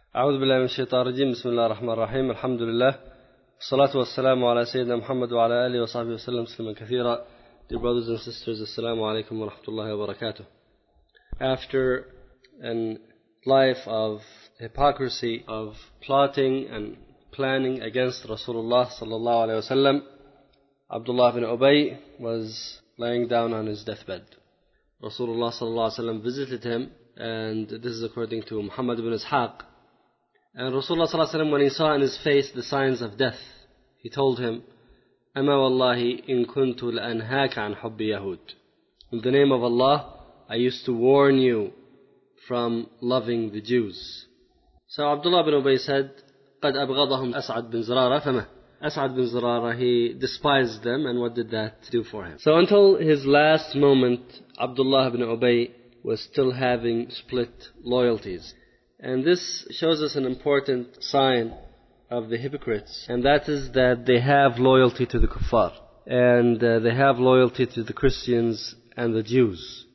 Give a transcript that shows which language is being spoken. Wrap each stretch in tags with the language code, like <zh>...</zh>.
<ar>أعوذ بالله من الشيطان الرجيم. بسم الله الرحمن الرحيم. الحمد لله، الصلاة والسلام على سيدنا محمد وعلى آله وصحبه وسلم تسليما كثيرا.</ar> <en>Dear brothers and sisters,</en> <ar>السلام عليكم ورحمة الله وبركاته.</ar> <en>After an life of hypocrisy, of plotting and planning against Rasulullah</en> <ar>صلى الله عليه وسلم,</ar> <en>Abdullah bin Ubay was laying down on his deathbed. Rasulullah</en> <ar>صلى الله عليه وسلم</ar> <en>visited him, and this is according to Muhammad bin Ishaq. And Rasulullah</en> <ar>صلى الله عليه وسلم,</ar> <en>when he saw in his face the signs of death, he told him,</en> <ar>أما والله إن كنت لأنهاك عن حب يهود.</ar> <en>In the name of Allah, I used to warn you from loving the Jews. So Abdullah bin Ubay said,</en> <ar>قد أبغضهم أسعد بن زرارة فما.</ar> <en>أسعد بن زرارة, he despised them, and what did that do for him? So until his last moment, Abdullah bin Ubay was still having split loyalties. And this shows us an important sign of the hypocrites, and that is that they have loyalty to the kuffar, and they have loyalty to the Christians and the Jews.</en>